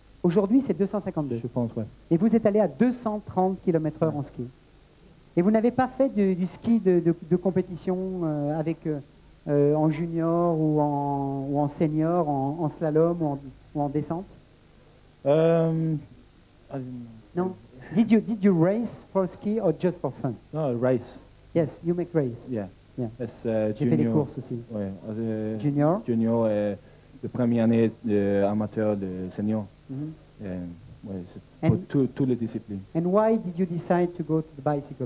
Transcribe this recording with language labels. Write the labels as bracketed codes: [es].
[fr] Aujourd'hui, c'est 252. Je pense, ouais. Et vous êtes allé à 230 km/h en ski. Et vous n'avez pas fait du ski de compétition avec en junior ou en senior, en slalom ou en descente? Non. [en] Did you race for ski or just for fun? No, race. Yes, you make race. Yeah. It's junior. [fr] J'ai fait des courses aussi. Ouais. Junior. Junior et de première année de amateur de senior. Mm-hmm. Et, ouais, c'est and pour toutes les disciplines. [en] And why did you decide to go to the bicycle?